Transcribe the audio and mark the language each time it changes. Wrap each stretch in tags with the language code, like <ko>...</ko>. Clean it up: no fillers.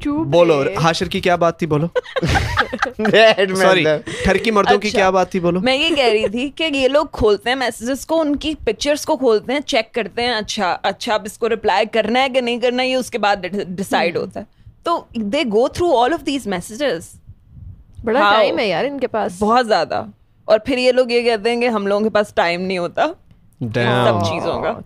<ur>بولو ہاشر کی کیا بات تھی, بولو. سوری, ٹھرکی مردوں کی کیا بات تھی, بولو. میں یہ کہہ رہی تھی کہ یہ لوگ کھولتے ہیں میسجز کو, ان کی پکچرز کو کھولتے ہیں, چیک کرتے ہیں, اچھا اب اس کو ریپلائی کرنا ہے کہ نہیں کرنا, یہ اس کے بعد ڈیسائیڈ ہوتا ہے.</ur> <en>تو they go through all of these messages,</en> <ur>بڑا ٹائم ہے یار ان کے پاس, بہت زیادہ. اور پھر یہ لوگ یہ کہتے ہیں کہ ہم لوگوں کے پاس ٹائم نہیں ہوتا سب چیزوں کا.</ur>